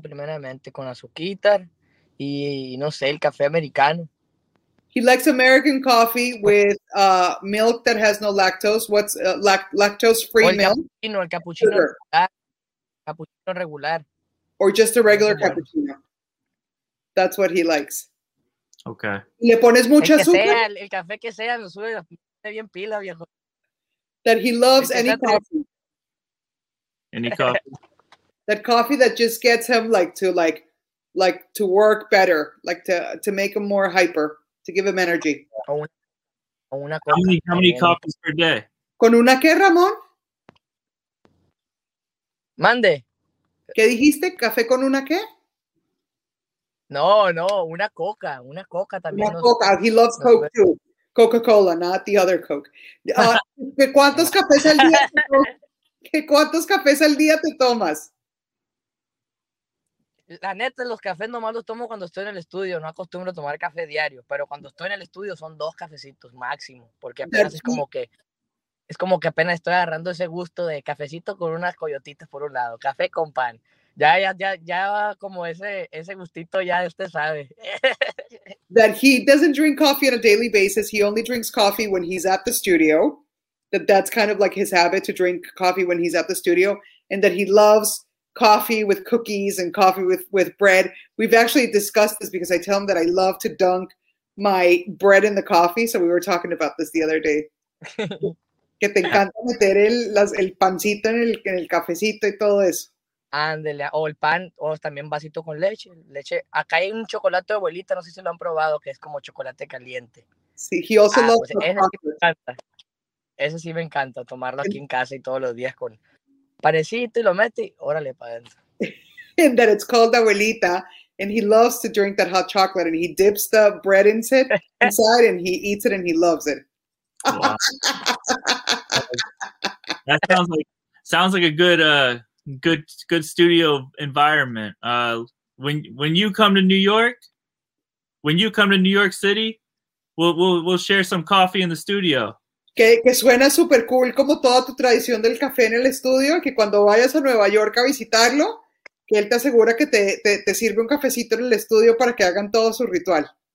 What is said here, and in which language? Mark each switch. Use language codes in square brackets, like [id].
[es] Primeramente con azuquitar y no sé, el café americano. [en] He likes American coffee with milk that has no lactose. What's lactose free milk? [es] El cappuccino regular. Cappuccino regular. [en] Or just a regular cappuccino. That's what he likes. Okay. [es] Le pones mucha azúcar. Sea, el café que sea, lo sube bien pila, viejo. [en] That he loves any coffee. Any coffee. That coffee that just gets him like to work better, like to make him more hyper. To give him energy. How many coffees per day? [es] ¿Con una qué, Ramón? Mande. ¿Qué dijiste? ¿Café con una qué? No, una coca. Una coca también. Una coca. [en] He loves Coke too. Coca-Cola, not the other Coke. [es] ¿Cuántos cafés al día te tomas? La neta, los cafés nomás los tomo cuando estoy en el estudio. No acostumbro a tomar café diario, pero cuando estoy en el estudio son dos cafecitos máximo, porque apenas es como que apenas estoy agarrando ese gusto de cafecito con unas coyotitas por un lado, café con pan. Ya va como ese gustito, ya usted sabe. [en] That he doesn't drink coffee on a daily basis. He only drinks coffee when he's at the studio. That's kind of like his habit, to drink coffee when he's at the studio, and that he loves coffee with cookies and coffee with bread. We've actually discussed this because I tell him that I love to dunk my bread in the coffee. So we were talking about this the other day. [es] Que te encanta meter el pancito en el cafecito y todo eso. Ándele, o el pan, o también vasito con leche. Acá hay un chocolate de abuelita, no sé si lo han probado, que es como chocolate caliente. Sí, [en] he also loves [es] pues ese sí me encanta. Ese sí me encanta, tomarlo aquí en casa y todos los días con panecito y lo mete, órale para adentro. [en] And that it's called abuelita, and he loves to drink that hot chocolate, and he dips the bread inside, and he eats it, and he loves it. Wow. That sounds like a good studio environment. When you come to New York, when you come to New York City, we'll share some coffee in the studio. [es] Que suena super cool, como toda tu tradición del café en el estudio, que cuando vayas a Nueva York a visitarlo, que él te asegura que te sirve un cafecito en el estudio para que hagan todo su ritual.